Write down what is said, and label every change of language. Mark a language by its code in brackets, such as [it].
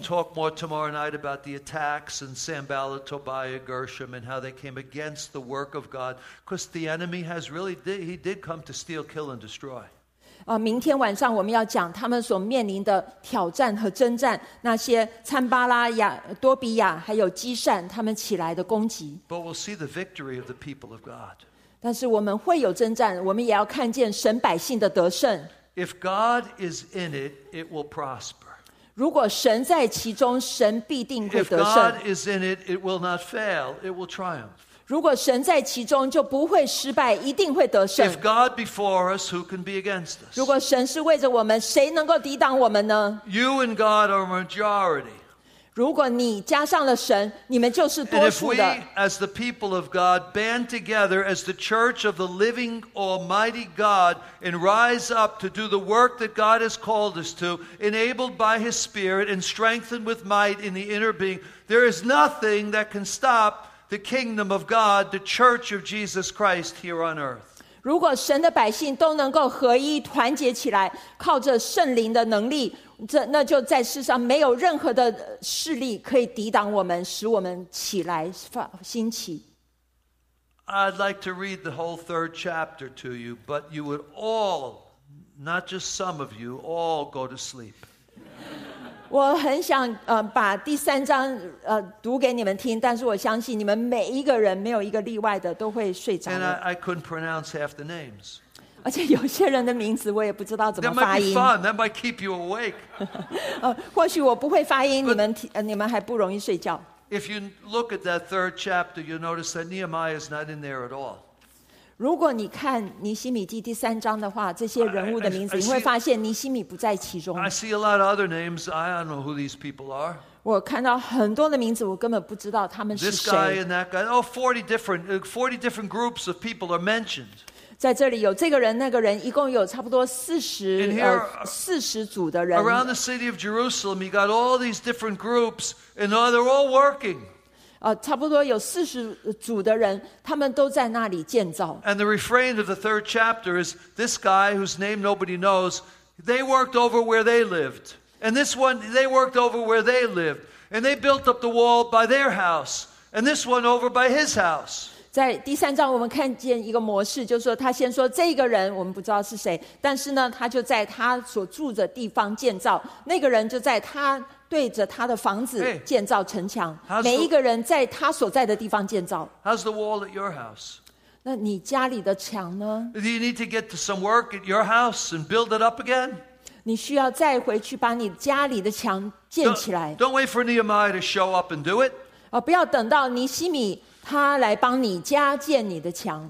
[en] We'll talk more tomorrow night about the attacks and Sanballat, Tobiah, Gershom, and how they came against the work of God. Because the enemy has really he did come to steal, kill, and destroy. [zh] 明天晚上我们要讲他们所面临的挑战和征战，那些参巴拉亚、多比亚还有基善他们起来的攻击。 [en] But we'll see the victory of the people of God. [zh] 但是我们会有征战，我们也要看见神百姓的得胜。 [en] If God is in it, it will prosper. [zh] 如果神在其中，神必定会得胜。 [en] If God is in it, it will not fail. It will triumph. [zh] 如果神在其中，就不会失败，一定会得胜。 [en] If God before us, who can be against us? [zh] 如果神是为着我们，谁能够抵挡我们呢？ [en] You and God are majority. [zh] 如果你加上了神，你们就是多数的。 [en] And if we, as the people of God, band together as the church of the living Almighty God, and rise up to do the work that God has called us to, enabled by His Spirit and strengthened with might in the inner being, there is nothing that can stop. The kingdom of God, the church of Jesus Christ here on earth. [zh] 如果神的百姓都能够合一团结起来，靠着圣灵的能力，那就在世上没有任何的势力可以抵挡我们，使我们起来兴起。 [en] I'd like to read the whole third chapter to you, but you would all, not just some of you, all go to sleep. [zh] 我很想把第三章读给你们听，但是我相信你们每一个人没有一个例外的都会睡着 [en] 了。And I couldn't pronounce half the names. [zh] 而且有些人的名字我也不知道怎么发音。 [en] That might be fun. That might keep you awake. [zh] 或许我不会发音，你们还不容易睡觉。 [en] If you look at that third chapter, you'll notice that Nehemiah is not in there at all. [zh] 如果你看尼希米记第三章的话，这些人物的名字，你会发现尼希米不在其中。 [en] I see a lot of other names. I don't know who these people are. [zh] 我看到很多的名字，我根本不知道他们是谁。 [en] This guy and that guy. Oh, 40 different groups of people are mentioned. [zh] 在这里有这个人、那个人，一共有差不多四十组的人。 [en] Around the city of Jerusalem, you got all these different groups, and they're all working. [zh] 差不多有四十组的人，他们都在那里建造。 [en] And the refrain of the third chapter is this guy whose name nobody knows. They worked over where they lived, and this one they worked over where they lived, and they built up the wall by their house, and this one over by his house. [zh] 在第三章，我们看见一个模式，就是说他先说这个人，我们不知道是谁，但是呢，他就在他所住的地方建造，那个人就在他。对着他的房子建造城墙 [en] hey, [zh] 每一个人在他所在的地方建造 [en] How's the wall at your house? [zh] 那你家里的墙呢 [en] Do you need to get to some work at your house and build it up again? [zh] 你需要再回去把你家里的墙建起来 [en] Don't wait for Nehemiah to show up and do it [zh] 不要等到尼希米他来帮你加建你的墙